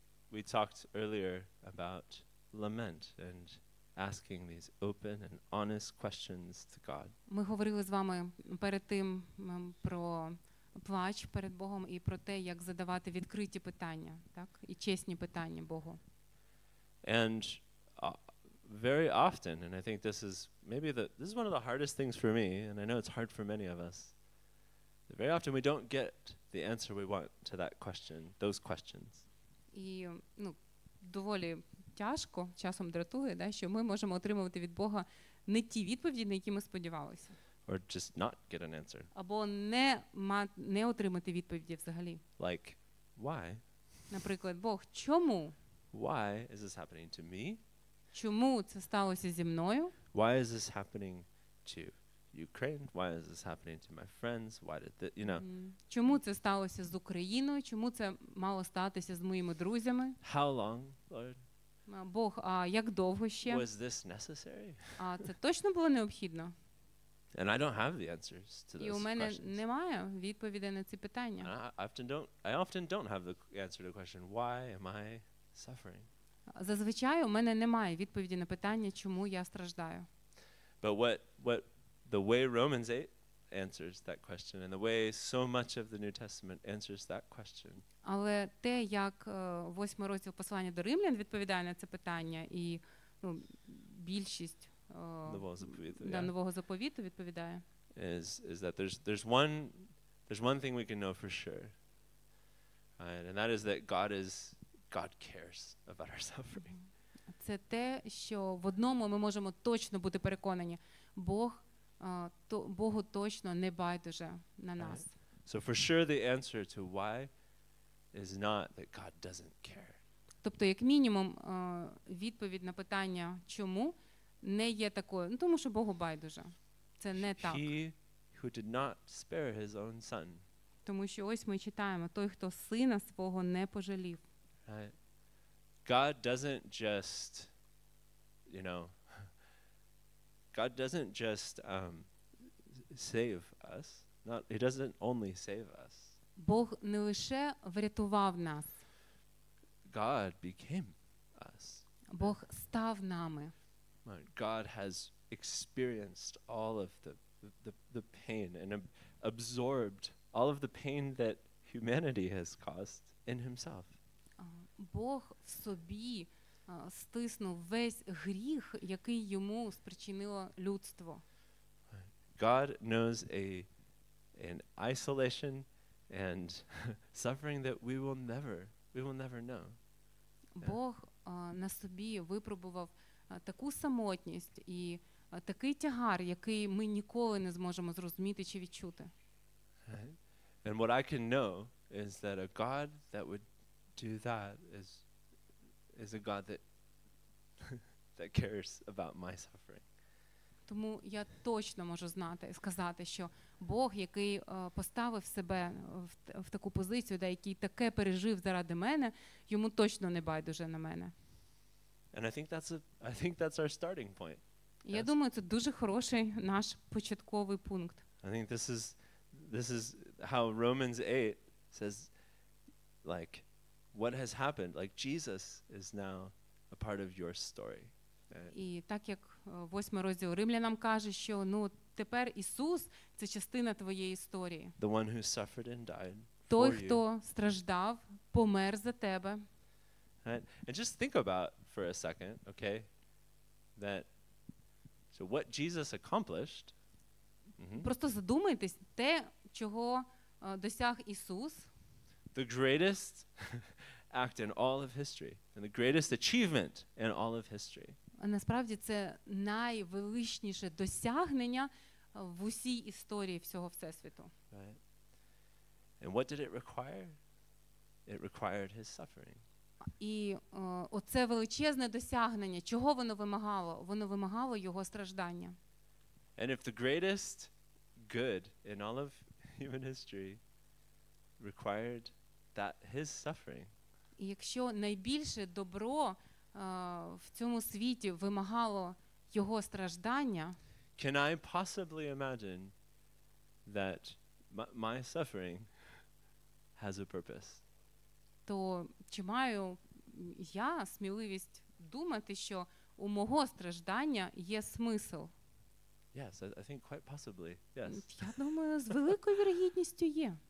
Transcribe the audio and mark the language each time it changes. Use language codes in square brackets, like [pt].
[en] We talked earlier about lament and asking these open and honest questions to God. [uk] Ми говорили з вами перед тим про плач перед Богом і про те, як задавати відкриті питання, так? І чесні питання Богу. [en] And very often, and I think this is maybe this is one of the hardest things for me, and I know it's hard for many of us. Very often we don't get the answer we want to that question, those questions. [uk] І, ну, доволі тяжко, часом дратує, да, що ми можемо отримувати від Бога не ті відповіді, на які ми сподівалися. [en] Or just not get an answer. [uk] Або не отримати відповіді взагалі. [en] Like, why? [uk] Наприклад, Бог, чому? [en] Why is this happening to me? [uk] Чому це сталося зі мною? [en] Why is this happening to Ukraine? Why is this happening to my friends? Why did this, you know? [uk] Чому це сталося з Україною? Чому це мало статися з моїми друзями? [en] How long, Lord? [uk] Бог, а як довго ще? [en] Was this necessary? [uk] А це точно було необхідно? [en] And I don't have the answers to those questions. [uk] І у мене немає відповідей на ці питання. [en] I often don't have the answer to the question, why am I suffering? [uk] Зазвичай у мене немає відповіді на питання, чому я страждаю. [en] But what the way Romans 8 answers that question and the way so much of the New Testament answers that question. [uk] Але те, як восьмий розділ послання до римлян відповідає на це питання і, ну, більшість нового заповіту відповідає. [en] Is that there's one thing we can know for sure. Right? And that is that God cares about our suffering. [uk] Це те, що в одному ми можемо точно бути переконані. Бог Богу точно не байдуже на нас. [en] So for sure the answer to why is not that God doesn't care. [uk] Тобто як мінімум відповідь на питання чому не є такою, ну тому що Богу байдуже. Це не так. [en] He who did not spare his own son. [uk] Тому що ось ми читаємо, той, хто сина свого не пожалів. [en] God doesn't just, you know, God doesn't just save us. He doesn't only save us. [uk] Бог не лише врятував нас. [en] God became us. [uk] Бог став нами. [en] God has experienced all of the pain and absorbed all of the pain that humanity has caused in himself. [uk] Бог в собі стиснув весь гріх, який йому спричинило людство. [en] God knows an isolation and suffering that we will never know. [uk] Бог на собі випробував таку самотність і такий тягар, який ми ніколи не зможемо зрозуміти чи відчути. [en] And what I can know is that a God that would do that is a God that cares about my suffering. [uk] Тому я точно можу знати і сказати, що Бог, який поставив себе в таку позицію, да, який таке пережив заради мене, йому точно не байдуже на мене. [en] And I think that's our starting point. [uk] Я думаю, це дуже хороший наш початковий пункт. [en] I think this is how Romans 8 says, like, what has happened? Like, Jesus is now a part of your story. [uk] І так як восьмий розділ Римлянам каже, що, ну, тепер Ісус – це частина твоєї історії. [en] The one who suffered and died for you. [uk] Той, хто страждав, помер за тебе. [en] And just think about for a second, okay, that, so what Jesus accomplished. [uk] Просто задумайтесь, те, чого досяг Ісус. [en] The greatest act in all of history, and the greatest achievement in all of history. [uk] Насправді це найвеличніше досягнення в усій історії всього Всесвіту. [en] Right. And what did it require? It required his suffering. [uk] І оце величезне досягнення, чого воно вимагало? Воно вимагало його страждання. [en] And if the greatest good in all of human history required that his suffering. [uk] І якщо найбільше добро в цьому світі вимагало його страждання, [en] can I possibly imagine that my suffering has a purpose? [uk] То чи маю я сміливість думати, що у мого страждання є смисл? [en] Yes, I think quite possibly. Yes. [uk] Я думаю, з великою вірогідністю є.